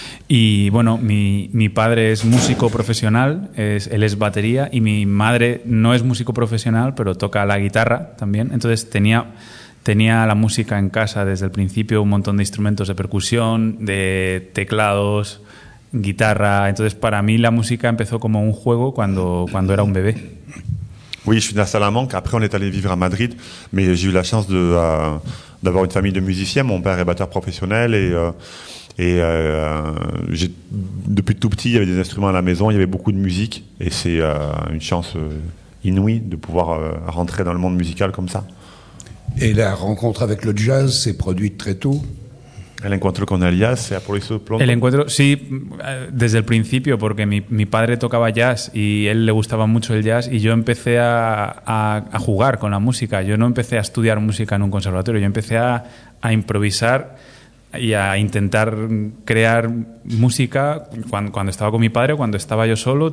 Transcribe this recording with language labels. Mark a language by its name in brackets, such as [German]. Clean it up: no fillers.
[Spanish] Y bueno, mi padre es músico profesional, él es batería, y mi madre no es músico profesional, pero toca la guitarra también. Entonces tenía la música en casa desde el principio, un montón de instrumentos de percusión, de teclados, guitarra. Entonces, para mí la música empezó como un juego cuando era un bebé. [French] Oui, je suis né à Salamanque. Après, on est allé vivre à Madrid, mais j'ai eu la chance d'avoir une famille de musiciens. Mon père est batteur professionnel et depuis tout petit, il y avait des instruments à la maison, il y avait beaucoup de musique, et c'est une chance inouïe de pouvoir rentrer dans le monde musical comme ça. Et la rencontre avec le jazz s'est produite très tôt. [Spanish] El encuentro con el jazz se ha producido pronto. El encuentro, sí, desde el principio, porque mi padre tocaba jazz y él le gustaba mucho el jazz, y yo empecé a jugar con la música. Yo no empecé a estudiar música en un conservatorio, yo empecé a improvisar y a intentar crear música cuando estaba con mi padre, cuando estaba yo solo.